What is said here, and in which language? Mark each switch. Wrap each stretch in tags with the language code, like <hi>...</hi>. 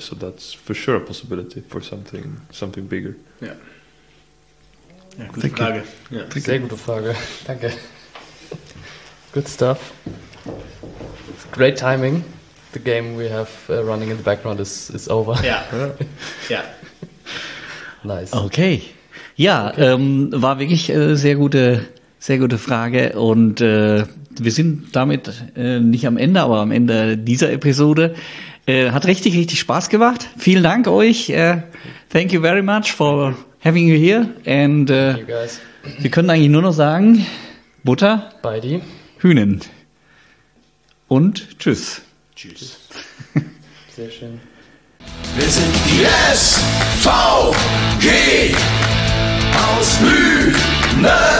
<en>So that's for sure a possibility for something bigger. Yeah. Yeah. Good Frage. Thank you. Good stuff. It's great timing. the game we have running in the background is over. Yeah. Nice. Okay.</en> <de>Ja, war wirklich sehr gute Frage und wir sind damit nicht am Ende, aber am Ende dieser Episode. Hat richtig, richtig Spaß gemacht. Vielen Dank euch.</de> <en>Thank you very much for having you here.</en> <de>And wir können eigentlich nur noch sagen, Butter bei die Hühnen. Und tschüss. Tschüss. Sehr schön. Wir sind die SVG aus Lüneburg.</de>